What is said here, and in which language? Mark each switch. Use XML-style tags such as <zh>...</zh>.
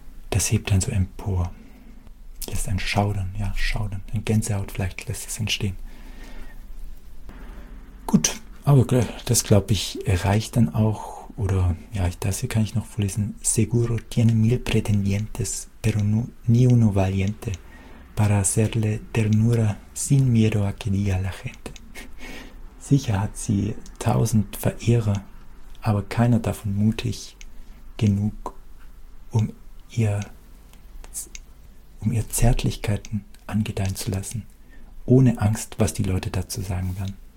<de>das hebt dann so empor, lässt ein Schaudern, ein Gänsehaut vielleicht lässt es entstehen. Gut, aber das glaube ich reicht dann auch, oder ja, das hier kann ich noch vorlesen.</de> <es>Seguro tiene mil pretendientes, pero ni uno valiente para hacerle ternura sin miedo a que diga la gente.</es> <de>Sicher hat sie 1000 Verehrer, aber keiner davon mutig genug, um ihr Zärtlichkeiten angedeihen zu lassen, ohne Angst, was die Leute dazu sagen werden.</de>